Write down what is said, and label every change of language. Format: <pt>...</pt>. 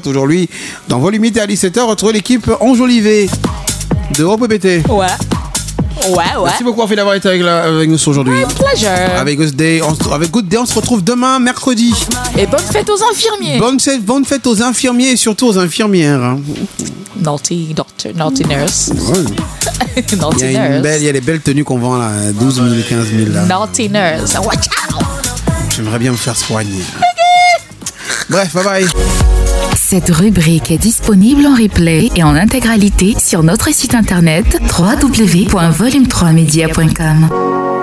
<fr>Toujours lui, dans vos limites, et à 17h, retrouvez l'équipe Enjolivée de Hop EBT. Ouais. Ouais, ouais. Merci beaucoup, Ophélie, d'avoir été avec nous aujourd'hui.</fr> <en>My pleasure.</en> <fr>Avec Good Day, on se retrouve demain, mercredi. Et bonne fête aux infirmiers. Bonne fête aux infirmiers et surtout aux infirmières.</fr> <en>Naughty doctor, naughty nurse.</en> <fr>Ouais.</fr> <en>Naughty nurse.</en> <fr>Il y a les belles tenues qu'on vend là, 12 000, 15 000. Là.</fr> <en>Naughty nurse. Watch out.</en> <fr>J'aimerais bien me faire soigner. Bref, bye bye. Cette rubrique est disponible en replay et en intégralité sur notre site internet www.volume3media.com.</fr>